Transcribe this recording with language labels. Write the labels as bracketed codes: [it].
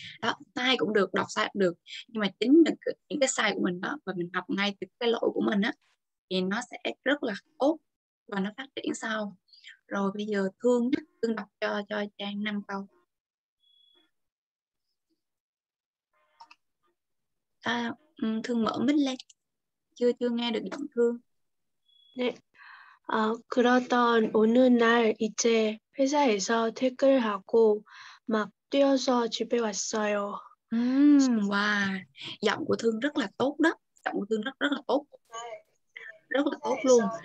[vi] Đó, sai cũng được, đọc sai cũng được. Nhưng mà chính những cái sai của mình đó, và mình học ngay từ cái lỗi của mình á, thì nó sẽ rất là tốt và nó phát triển sau. Rồi bây giờ Thương đọc cho Trang 5 câu. Thương mở mic lên. Chưa nghe được giọng Thương. [ko] 네. 그러던 오늘 날 이제 회사에서 퇴근하고 막 뛰어서 집에 왔어요. [en] Wow. [vi] Giọng của Thương rất là tốt đó. Giọng của Thương rất là tốt. Rất là tốt luôn.